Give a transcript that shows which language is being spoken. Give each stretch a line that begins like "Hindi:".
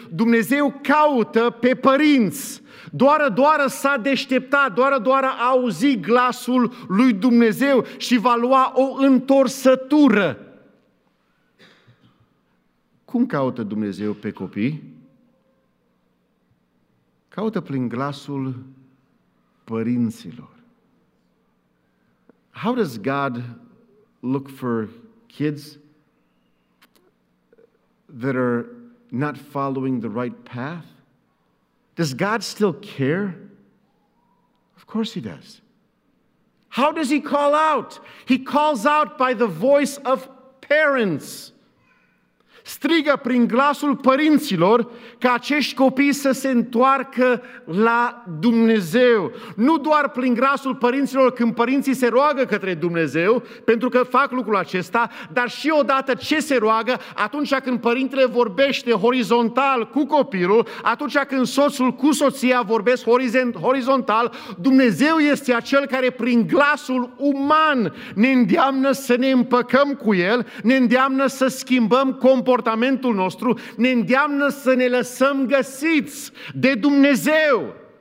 Romanian: Dumnezeu caută pe părinți. Doar s-a deșteptat, doar a auzit glasul lui Dumnezeu și va lua o întorsătură. Cum caută Dumnezeu pe copii? Caută prin glasul părinților.
English: How does God look for kids that are not following the right path? Does God still care? Of course he does. How does he call out? He calls out by the voice of parents.
Romanian: Strigă prin glasul părinților ca acești copii să se întoarcă la Dumnezeu. Nu doar prin glasul părinților când părinții se roagă către Dumnezeu, pentru că fac lucrul acesta, dar și odată ce se roagă, atunci când părintele vorbește horizontal cu copilul, atunci când soțul cu soția vorbesc horizontal, Dumnezeu este acel care prin glasul uman ne îndeamnă să ne împăcăm cu El, ne îndeamnă să schimbăm comportamentul nostru, ne îndeamnă să ne lăsăm găsiți de Dumnezeu.